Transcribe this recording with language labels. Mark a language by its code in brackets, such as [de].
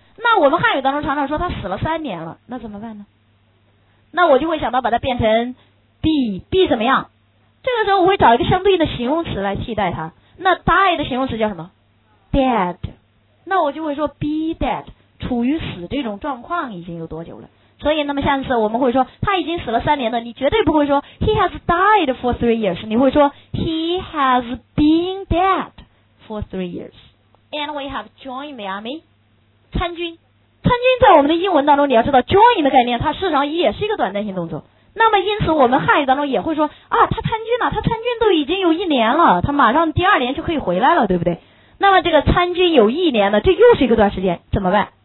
[zh] 那我们汉语当中常常说它死了3年了，那怎么办呢？那我就会想到把它变成 be 怎么样，这个时候我会找一个相对应的形容词来替代它，那 die 的形容词叫什么？dead。那我就会说 be dead， 处于死这种状况已经有多久了，所以那么下次我们会说他已经死了3年了，你绝对不会说 he has died for 3 years，你会说 he has been dead for 3 years， [en] And we have joined Miami. [zh] 参军。参军在我们的英文当中，你要知道 join 的概念，它事实上也是一个短暂性动作。那么因此我们汉语当中也会说啊，他参军了，他参军都已经有一年了，他马上第二年就可以回来了，对不对？那么这个参军有一年了，这又是一个段时间，怎么办？